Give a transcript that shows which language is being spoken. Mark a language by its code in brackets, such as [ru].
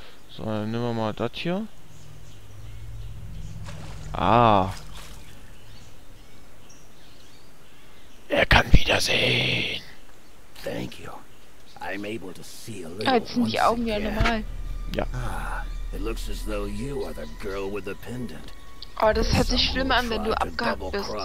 [de] So, dann nehmen wir mal das hier. Ah. Er kann wieder sehen. [en] Thank you. I'm able to see a little. [de] Ah, jetzt sind die Augen ja normal. Ja. [en] Ah, it looks as though you are the girl with the pendant. [de] Oh, das hört sich schlimm an, wenn du abgehackt bist.